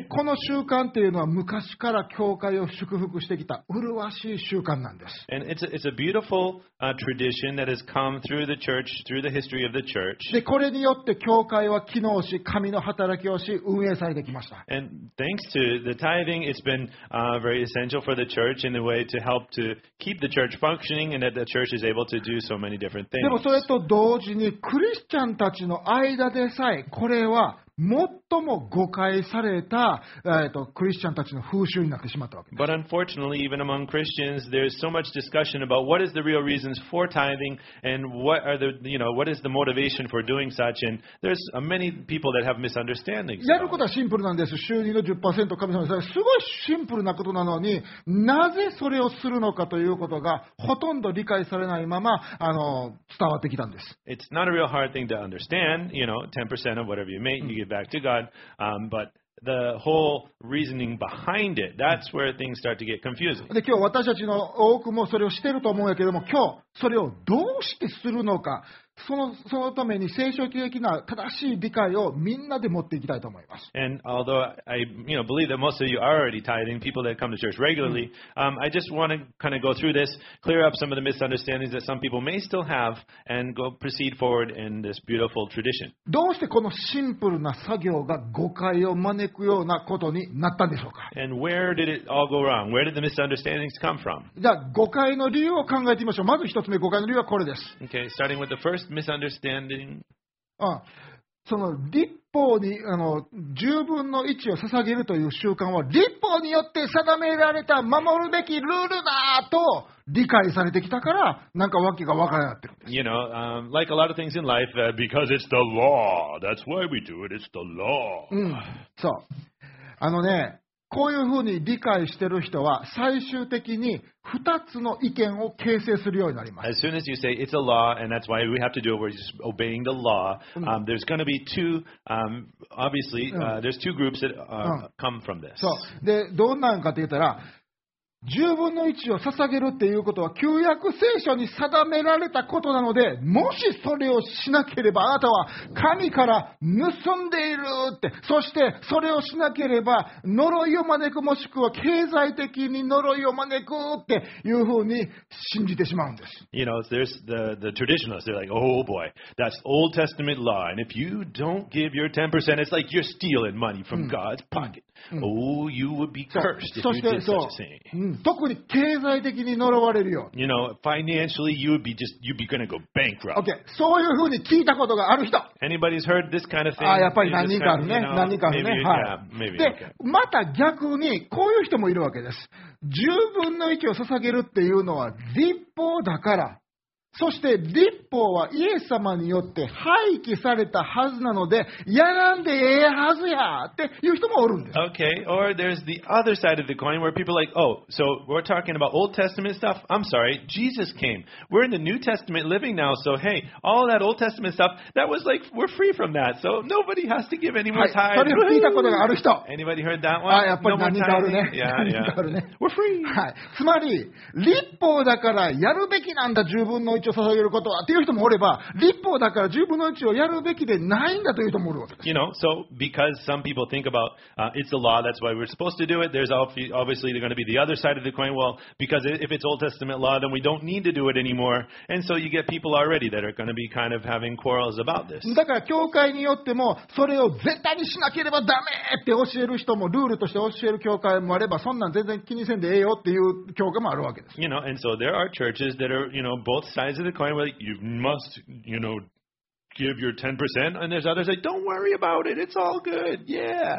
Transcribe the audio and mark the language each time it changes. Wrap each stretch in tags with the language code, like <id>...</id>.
<ja>この習慣っていうのは昔から教会を祝福してきた麗しい習慣なんです。</ja> <en>And it's a beautiful wonderful tradition that has come through the church, through the history of the church.</en> <ja>で、これによって教会は機能し、神の働きをし、運営されてきました。</ja> <en>And thanks to the tithing, it's been very essential for the church in the way to help to keep the church functioning and that the church is able to do so many different things.</en> <ja>でもそれと同時に、クリスチャンたちの間でさえ、これは最も誤解された、クリスチャンたちの風習になってしまったわけです。</ja> <en>But unfortunately, even among Christians, there's so much discussion about what is the real reasons for tithing and what are the, you know, what is the motivation for doing such. And there's many people that have misunderstandings.</en> <ja>やることはシンプルなんです。収入の 10% 神様です。すごいシンプルなことなのに、なぜそれをするのかということがほとんど理解されないまま伝わってきたんです。</ja> <en>It's not a real hard thing to understand. You know, 10% of whatever you make. Back to God, but the whole reasoning behind it, that's where things start to get confusing.</en> <ja>で、今日私たちの多くもそれをしていると思うんだけども、今日それをどうしてするのか、そのために聖書的な正しい理解をみんなで持っていきたいと思います。</ja> <en>And although I, you know, believe that most of you are already tithing, people that come to church regularly, I just want to kind of go through this, clear up some of the misunderstandings that some people may still have, and go proceed forward in this beautiful tradition.</en> <ja>どうしてこのシンプルな作業が誤解を招くようなことになったんでしょうか</ja> <en>？And where did it all go wrong? Where did the misunderstandings come from?</en> <ja>じゃあ誤解の理由を考えてみましょう。まず一つ目、誤解の理由はこれです。</ja> <en>Okay, starting with the firstmisunderstanding.</en> <ja>その立法に十分の一を捧げるという習慣は立法によって定められた守るべきルールだと理解されてきたからなんかわけがわからなくて。</ja> <en>You know, like a lot of things in life, because it's the law. That's why we do it. It's the law.</en> <ja>そう。ね、こういうふうに理解している人は最終的に2つの意見を形成するようになります。</ja> <en>As soon as you say it's a law and that's why we have to do it, we're just obeying the law, there's going to be two, obviously, there's two groups that come from this.</en> <ja>そう。で、どんなんかって言ったら、十分の一を捧げるっていうことは旧約聖書に定められたことなので、もしそれをしなければあなたは神から盗んでいるって、そしてそれをしなければ呪いを招くもしくは経済的に呪いを招くっていうふうに信じてしまうんです。</ja> <en>You know, there's the traditionalists. They're like, oh boy, that's Old Testament law. And if you don't give your 10%, it's like you're stealing money from God's pocket. Oh, you would be cursed if you did such a thing.</en> <ja>特に経済的に呪われるよ。</ja> <en>You know, financially you would be just, you'd be gonna go bankrupt.</en> <ja>Okay, そういうふうに聞いたことがある人。</ja> <en>Anybody's heard this kind of thing?</en> <ja>やっぱり何人かあるね。何人かあるね。はい。で、また逆にこういう人もいるわけです。十分の一を捧げるっていうのは立法だから。そして立法はイエス様によって廃棄されたはずなのでやらんでええはずやっていう人もおるんです。</ja> <en>Okay, or there's the other side of the coin where people are like, oh, so we're talking about Old Testament stuff? I'm sorry, Jesus came. We're in the New Testament living now, so hey, all that Old Testament stuff, that was like, we're free from that, so nobody has to give any more tithe.</en> <ja>はい、それを聞いたことがある人。</ja> <en>Anybody heard that one?</en> <ja>あ、やっぱり何人かあるね。</ja> <en>We're free!</en> <ja>はい、つまり、立法だからやるべきなんだ、十分の一を捧げることはっていう人もおれば、立法だから十分の一をやるべきでないんだという人もおるわけです。</ja> <en>You know, so because some people think about it's a law, that's why we're supposed to do it. There's obviously going to be the other side of the coin. Well, because if it's Old Testament law, then we don't need to do it anymore. And so you get people already that are going to be kind of having quarrels about this.</en> <ja>だから教会によってもそれを絶対にしなければダメって教える人もルールとして教える教会もあれば、そんなん全然気にせんでええよっていう教会もあるわけです。</ja> <en>You know, and so there are churches that are, you know, both sides. Of the coin, like you must, you know, give your 10%, and there's others like, don't worry about it, it's all good, yeah.</en>